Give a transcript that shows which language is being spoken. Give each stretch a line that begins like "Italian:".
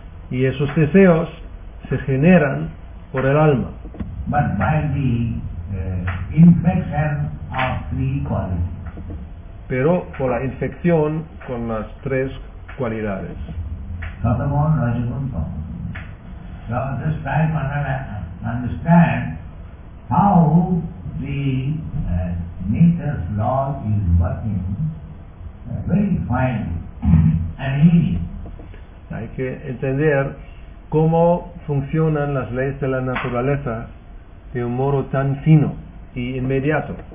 Spanish: Y esos deseos se generan por el alma.
English: But by the infection of three qualities.
Spanish: Pero por la infección con las tres cualidades. Satamon, Rajagun, Satamon.
English: So this time one will understand how the nature's law is working very finely and easily.
Spanish: Hay que entender cómo funcionan las leyes de la naturaleza de un modo tan fino y inmediato.